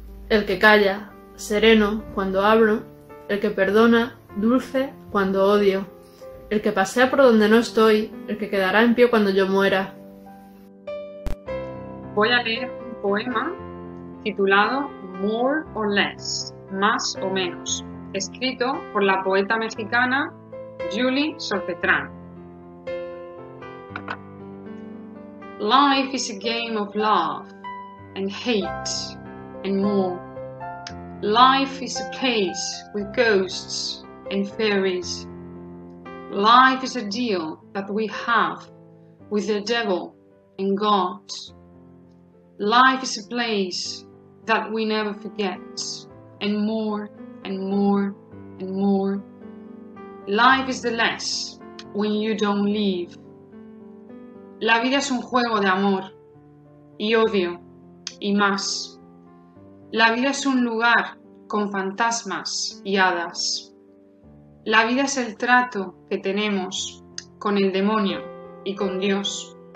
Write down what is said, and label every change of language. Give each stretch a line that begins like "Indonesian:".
Spanish: El que calla, sereno cuando hablo, el que perdona, dulce cuando odio, el que pasea por donde no estoy, el que quedará en pie cuando yo muera. Voy a leer un poema titulado More or Less, más o menos, escrito por la poeta mexicana Julie Solpetrán.
English: Life is a game of love and hate and more. Life is a place with ghosts and fairies. Life is a deal that we have with the devil and God. Life is a place that we never forget and more and more and more. Life is the less when you don't leave.
Spanish: La vida es un juego de amor y odio y más. La vida es un lugar con fantasmas y hadas. La vida es el trato que tenemos con el demonio y con Dios.